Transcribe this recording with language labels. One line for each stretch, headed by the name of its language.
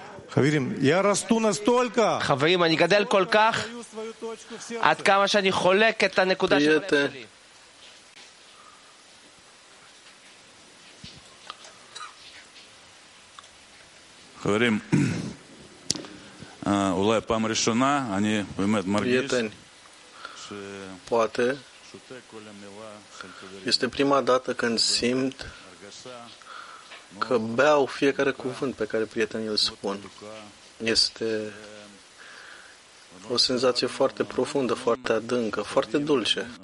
Hebrew: חברים,
Russian: я расту настолько.
Hebrew: חברים, אני גדל כל כך. עד כמה שאני חולק את הנקודה שלי. חברים, אולי פעם ראשונה אני באמת מרגיש.
Romanian: Este prima dată când simt că beau fiecare cuvânt pe care prietenii îl spun. Este o senzație foarte profundă, foarte adâncă, foarte dulce.